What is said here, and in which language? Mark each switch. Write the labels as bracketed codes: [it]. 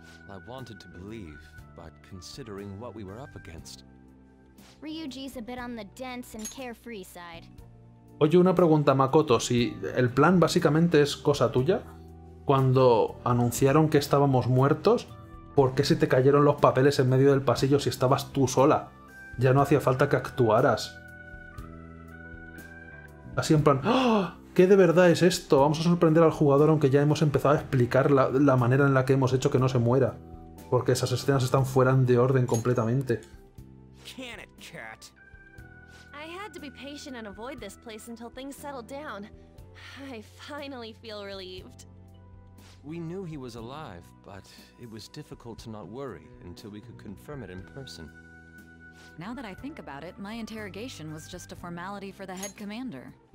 [en] I wanted to believe, but considering what we were up against... Ryuji's a bit on the dense and carefree side. [es] Oye, una pregunta, Makoto, si el plan básicamente es cosa tuya, cuando anunciaron que estábamos muertos, ¿por qué se te cayeron los papeles en medio del pasillo si estabas tú sola? Ya no hacía falta que actuaras. Así en plan, ¡oh! ¿Qué de verdad es esto? Vamos a sorprender al jugador, aunque ya hemos empezado a explicar la manera en la que hemos hecho que no se muera, porque esas escenas están fuera de orden completamente. [en] To be patient and avoid this place until things settled down. I finally feel relieved. We knew he was alive, but it was difficult to not worry until we could confirm it in person. Now that I think about it, my interrogation was just a formality for the head commander.